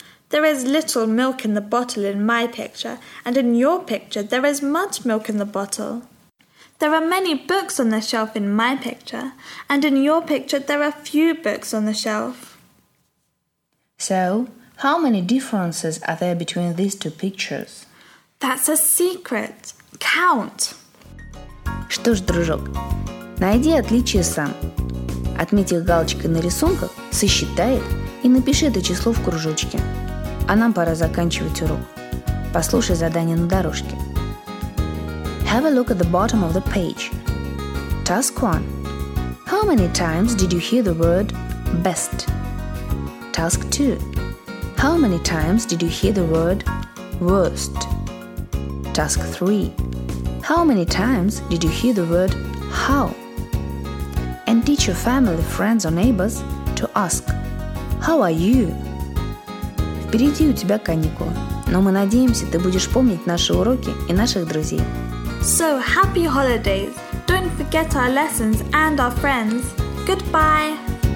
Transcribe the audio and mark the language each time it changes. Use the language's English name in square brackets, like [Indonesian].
[English] There is little milk in the bottle in my picture, and in your picture, there is much milk in the bottle. There are many books on the shelf in my picture, and in your picture, there are few books on the shelf. So, how many differences are there between these two pictures? That's a secret. Count. [Russian] Что ж, дружок, найди отличия сам. Отметь их галочкой на рисунках, сосчитай их и напиши это число в кружочке. А нам пора заканчивать урок. Послушай задание на дорожке. [English] Have a look at the bottom of the page. Task 1. How many times did you hear the word best? Task 2. How many times did you hear the word worst? Task 3. How many times did you hear the word how? And teach your family, friends or neighbors to ask, how are you? [Russian] Впереди у тебя каникулы, но мы надеемся, ты будешь помнить наши уроки и наших друзей. [English] So, happy holidays! Don't forget our lessons and our friends! Goodbye!